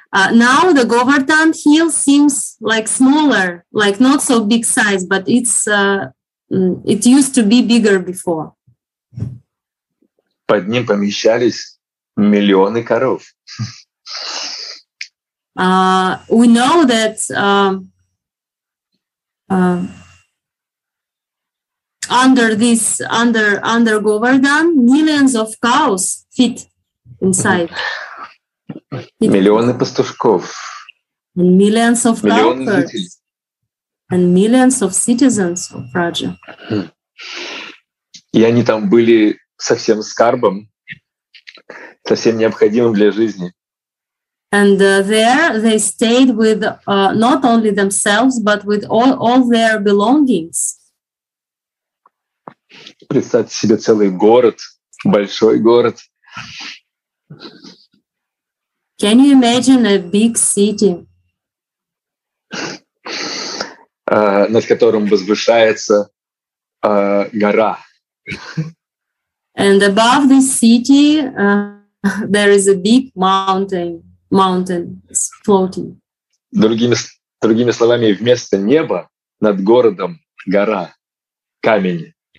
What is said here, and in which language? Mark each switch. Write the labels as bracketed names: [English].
[English] Now the Govardhan Hill seems like smaller, like not so big size, but it used to be bigger before. [Russian] Под ним помещались миллионы коров. [English] We know that under Govardhan, millions of cows fit inside. [Russian] Миллионы пастушков. [English] And millions of cowherds. And millions of citizens of Raja. [Russian] И они там были со всем скарбом, со всем необходимым для жизни. [English] And there they stayed with not only themselves, but with all their belongings. [Russian] Представьте себе целый город, большой город. [English] Can you imagine a big city? [Russian] Над которым возвышается гора. [English] And above this city there is a big mountain floating. [Russian] Другими словами, вместо неба над городом гора, камень.